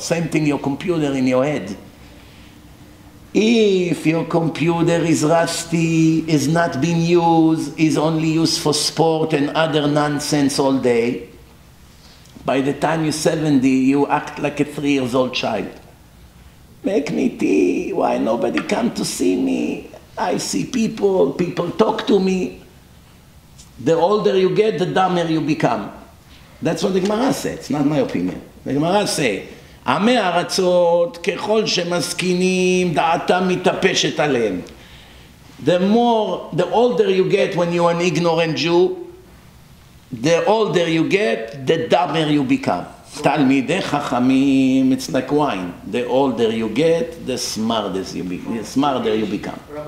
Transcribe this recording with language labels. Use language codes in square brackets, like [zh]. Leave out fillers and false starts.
[en] Same thing your computer in your head. If your computer is rusty, is not being used, is only used for sport and other nonsense all day, by the time you're 70, you act like a 3-year-old child. Make me tea, why nobody come to see me? I see people, people talk to me. The older you get, the dumber you become. That's what the Gemara says, it's not my opinion. The Gemara says, [he] עמי ארצות ככל שמסכינים דעתם מתפשת עליהם. [en] The more, the older you get when you're an ignorant Jew, the older you get, the dumber you become. [he] תלמידי חכמים, [en] it's like wine. The older you get, the smartest you become. The smarter you become.